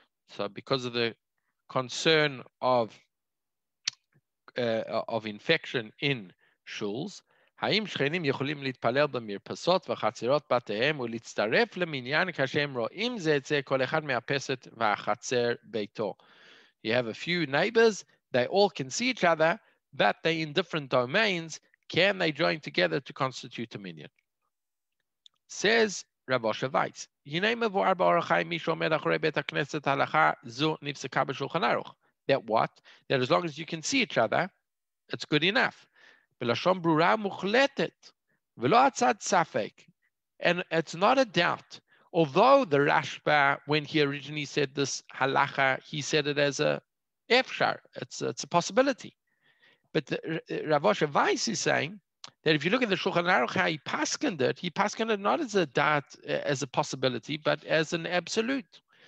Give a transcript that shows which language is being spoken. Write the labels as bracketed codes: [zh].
[en] So because of the concern of infection in shuls, [he] האם שכנים יכולים להתפלל במרפסות וחצרות בתיהם ולהצטרף למניין כשהם רואים זה את זה כל אחד מהפסת והחצר ביתו? [en] You have a few neighbors, they all can see each other, but they're in different domains. Can they join together to constitute a minyan? Says Rav Osher Weiss, [he] הנה מבואר באורח חיים מי שעומד אחרי בית הכנסת הלכה זו נפסקה בשולחן ערוך. [en] That what? That as long as you can see each other, it's good enough. [he] בלשון ברורה מוחלטת, ולא הצד ספק. [en] And it's not a doubt. Although the Rashba, when he originally said this halacha, he said it as a efshar. It's a possibility. But Rav Osher Weiss is saying that if you look at the Shulchan Aruch, how he paskened it not as a doubt, as a possibility, but as an absolute.